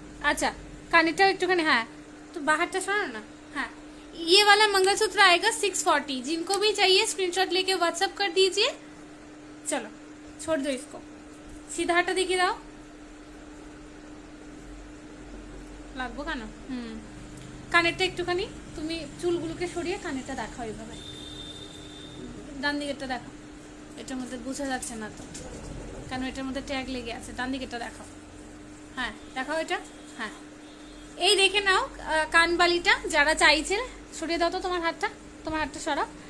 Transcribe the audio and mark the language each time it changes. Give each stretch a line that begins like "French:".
Bangla: আচ্ছা কানেরটা একটুখানি, হ্যাঁ তো বাহারটা শোনো না।
Hindi: ये वाला मंगलसूत्र आएगा 640, जिनको भी चाहिए स्क्रीनशॉट लेके व्हाट्सएप कर दीजिए। चलो छोड़ दो इसको, सीधा हटा देखिए
Bangla: दाओ लागबो का ना। कानेटा एकटुखानी তুমি চুলগুলোকে সরিয়ে কানেটা দেখাও, এইভাবে ডান দিকেটা দেখো, এটার মধ্যে বোঝা যাচ্ছে না তো কেন এটার মধ্যে ট্যাগ লেগে আছে, ডান দিকেটা দেখাও। হ্যাঁ দেখাও এটা, হ্যাঁ এই দেখে নাও কানবালিটা, যারা চাইছে সরিয়ে দাও তো তোমার হাতটা, তোমার হাতটা সরাও।